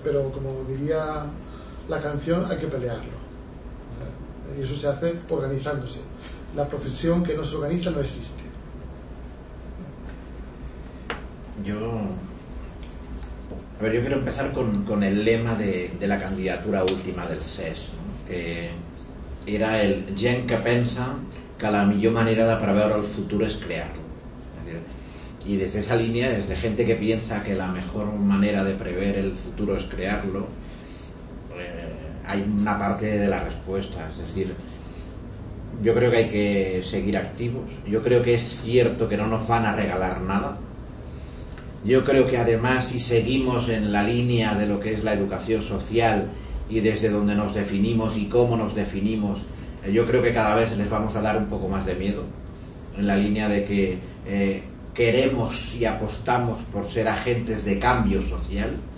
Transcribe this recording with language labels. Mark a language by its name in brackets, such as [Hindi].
[Spanish] Pero como diría la canción, hay que pelearlo. Y eso se hace organizándose. La profesión que no se organiza no existe. Yo quiero empezar con el lema de la candidatura última del SES, ¿no? Que era [Catalan] el gent que pensa que la millor manera de preveure el futur és crear-lo. [Spanish] Y desde esa línea, desde gente que piensa que la mejor manera de prever el futuro es crearlo, hay una parte de la respuesta. Es decir, yo creo que hay que seguir activos. Yo creo que es cierto que no nos van a regalar nada. Yo creo que además, si seguimos en la línea de lo que es la educación social y desde donde nos definimos y cómo nos definimos, yo creo que cada vez les vamos a dar un poco más de miedo, en la línea de que queremos y apostamos por ser agentes de cambio social,